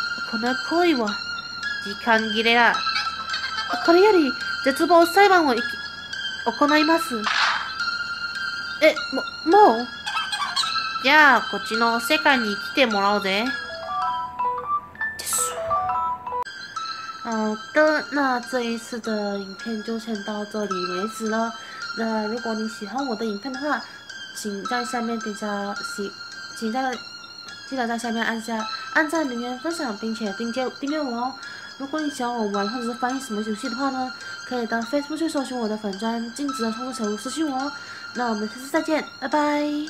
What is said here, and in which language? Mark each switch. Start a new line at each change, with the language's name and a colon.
Japanese: この声は時間切れだ。これより絶望裁判を行います。え、もう？じゃあこっちの世界に来てもらおうぜ。
Chinese: 好的，那这一次的影片就先到这里为止了。那如果你喜欢我的影片的话，请在下面点下请在记得在下面按赞、留言、分享，并且订阅我哦。如果你喜欢我玩或者是翻译什么游戏的话呢，可以到 Facebook 去搜寻我的粉专“镜子的创作小屋”私信我哦。那我们下次再见，拜拜。